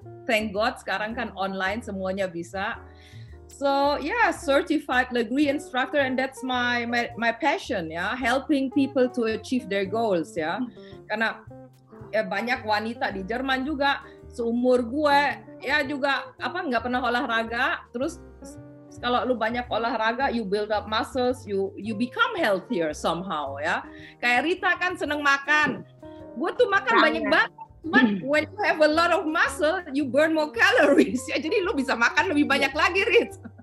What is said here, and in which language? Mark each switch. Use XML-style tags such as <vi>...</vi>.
<en>Thank God</en> <id>sekarang kan online semuanya bisa.</id> <en>So yeah, certified Legree instructor, and that's my passion ya. Yeah? Helping people to achieve their goals ya. Yeah?</en> <id>Karena ya, banyak wanita di Jerman juga seumur gue ya juga apa nggak pernah olahraga. Terus kalau lu banyak olahraga,</id> <en>you build up muscles, you become healthier somehow ya. Yeah?</en> <id>Kayak Rita kan seneng makan. Gue tuh makan banyak banget.</id> <en>But when you have a lot of muscle, you burn more calories.</en> <id>Ya, jadi lu bisa makan lebih banyak lagi, Rit.</id>